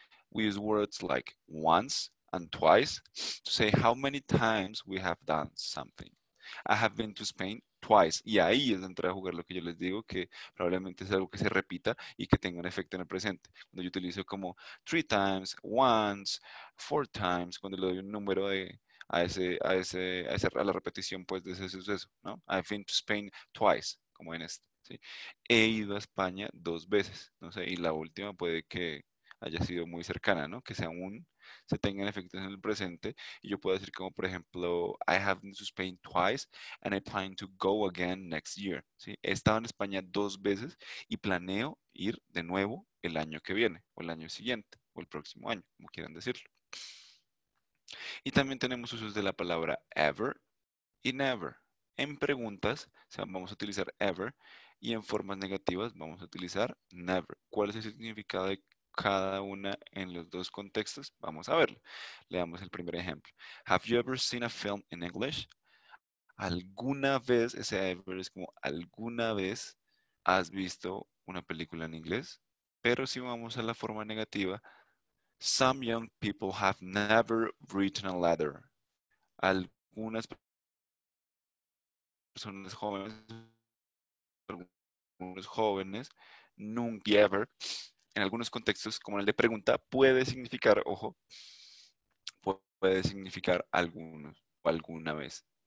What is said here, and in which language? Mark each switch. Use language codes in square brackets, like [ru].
[en] We use words like once and twice to say how many times we have done something. I have been to Spain twice. [es] Y ahí es donde entra a jugar lo que yo les digo, que probablemente es algo que se repita y que tenga un efecto en el presente. Cuando yo utilizo como 3 times, once, 4 times, cuando le doy un número a la repetición, pues, de ese suceso, ¿no? [en] I've been to Spain twice, [es] como en este, ¿sí? He ido a España 2 veces, no sé, y la última puede que haya sido muy cercana, ¿no? Que sea un se tengan efectos en el presente y yo puedo decir como por ejemplo [en] I have been to Spain twice and I plan to go again next year. [es] ¿Sí? He estado en España 2 veces y planeo ir de nuevo el año que viene o el año siguiente o el próximo año, como quieran decirlo. Y también tenemos usos de la palabra ever y never. En preguntas, o sea, vamos a utilizar ever Y en formas negativas vamos a utilizar never. ¿Cuál es el significado de cada una en los dos contextos? Vamos a verlo. Leamos el primer ejemplo. [en] Have you ever seen a film in English? [es] ¿Alguna vez, ese ever es como alguna vez has visto una película en inglés? Pero si vamos a la forma negativa, [en] some young people have never written a letter. [es] Algunas personas jóvenes, algunos jóvenes, nunca, ever, en algunos contextos, como el de pregunta, puede significar, ojo, puede significar algunos o alguna vez.